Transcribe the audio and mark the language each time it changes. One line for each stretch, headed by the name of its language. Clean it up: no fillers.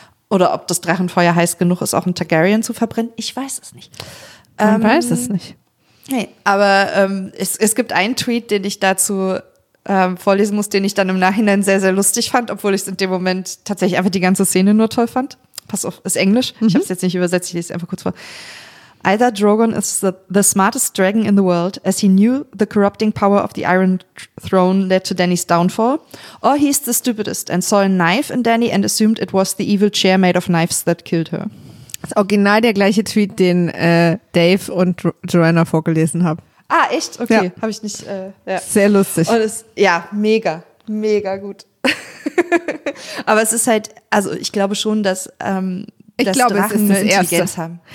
German: Oder ob das Drachenfeuer heiß genug ist, auch einen Targaryen zu verbrennen, ich weiß es nicht. Man weiß es nicht. Nee, aber es gibt einen Tweet, den ich dazu vorlesen muss, den ich dann im Nachhinein sehr, sehr lustig fand, obwohl ich es in dem Moment tatsächlich einfach die ganze Szene nur toll fand. Pass auf, ist Englisch. Mhm. Ich habe es jetzt nicht übersetzt, ich lese es einfach kurz vor.
English: Either Drogon is the smartest dragon in the world, as he knew the corrupting power of the Iron Throne led to Dany's downfall, or he's the stupidest and saw a knife in Dany and assumed it was the evil chair made of knives that killed her.
German: Das ist original der gleiche Tweet, den Dave und Joanna vorgelesen haben. Ah, echt? Okay, ja. Habe ich nicht. Ja. Sehr lustig. Und mega, mega gut. Aber es ist halt, also ich glaube schon, dass Drachen eine Intelligenz haben.